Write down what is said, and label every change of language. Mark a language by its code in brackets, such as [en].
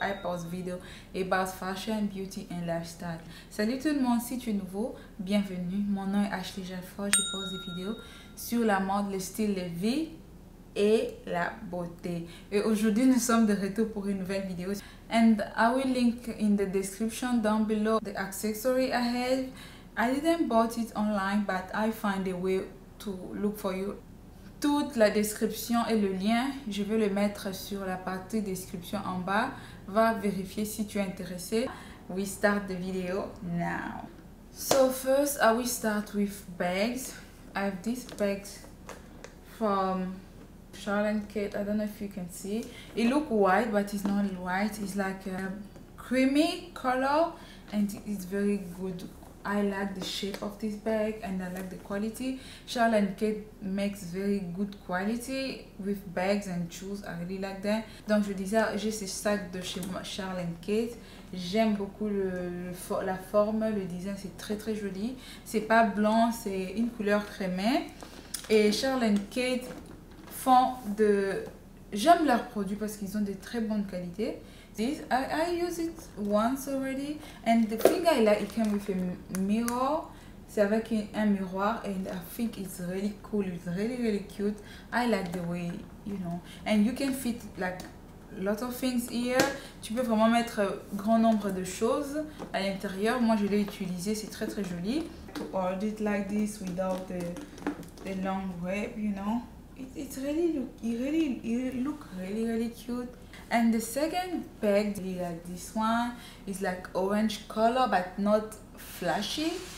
[en] I post video about fashion, beauty and lifestyle. [fr] Salut tout le monde, si tu es nouveau, bienvenue. Mon nom est Ashley Jefford. Je pose des vidéos sur la mode, le style de vie et la beauté. Et aujourd'hui, nous sommes de retour pour une nouvelle vidéo. [en] And I will link in the description down below the accessory I have. I didn't bought it online, but I find a way to look for you. [fr] Toute la description et le lien, je vais le mettre sur la partie description en bas. Va vérifier si tu es intéressé. [en] We start the video now. So first, I will start with bags. I have these bags from Charlotte Kate. I don't know if you can see. It look white, but it's not white. It's like a creamy color and it's very good. I like the shape of this bag and I like the quality. Charlotte Kate makes very good quality with bags and shoes. I really like that. [fr] Donc je disais, j'ai ce sac de chez Charlotte Kate. J'aime beaucoup la forme, le design, c'est très très joli. C'est pas blanc, c'est une couleur crémée. Et Charlotte Kate font de... J'aime leurs produits parce qu'ils ont de très bonnes qualités. [en] This I use it once already, and the thing I like, it came with a mirror. [fr] C'est avec un miroir, [en] and I think it's really cool. It's really really cute. I like the way, you know, and you can fit like lot of things here. [fr] Tu peux vraiment mettre grand nombre de choses à l'intérieur. Moi je l'ai utilisé, c'est très très joli. [en] To hold it like this without the long web, you know, it really looks really cute. And the second bag, like this one, is like orange color, but not flashy.